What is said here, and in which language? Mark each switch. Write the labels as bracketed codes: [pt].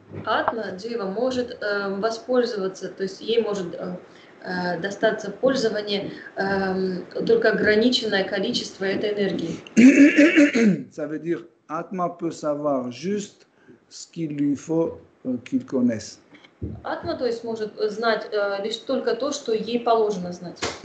[ru] Atma Jiva может воспользоваться, то есть ей может достаться в пользование только ограниченное количество этой энергии. [fr] Ça veut dire Atma peut savoir juste ce qu'il lui faut qu'il connaisse. [ru] Атма, то есть, может знать лишь только то, что ей положено знать.